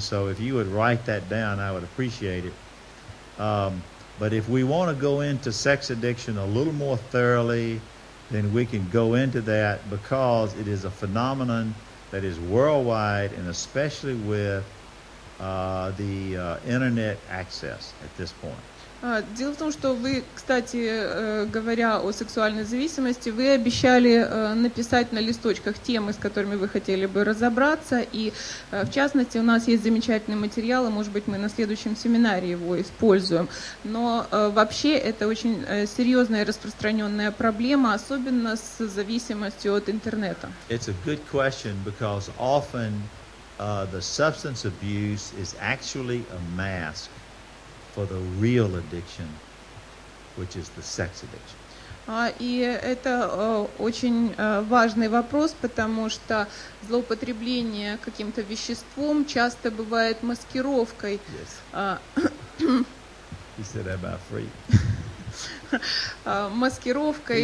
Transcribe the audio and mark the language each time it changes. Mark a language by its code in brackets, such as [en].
[en] So if you would write that down, I would appreciate it. But if we want to go into sex addiction a little more thoroughly, then we can go into that because it is a phenomenon that is worldwide and especially with the internet access at this point. [ru] Дело в том, что вы, кстати, говоря о сексуальной зависимости, вы обещали написать на листочках темы, с которыми вы хотели бы разобраться. И, в частности, у нас есть замечательные материалы, может быть, мы на следующем семинаре его используем. Но вообще это очень серьезная и распространенная проблема, особенно с зависимостью от интернета. [en] It's a good question, because often the substance abuse is actually a mask for the real addiction, which is the sex addiction. [ru] И это очень важный вопрос, потому что злоупотребление каким-то веществом часто бывает маскировкой. [en] Yes. He said I'm free. [ru] Маскировкой.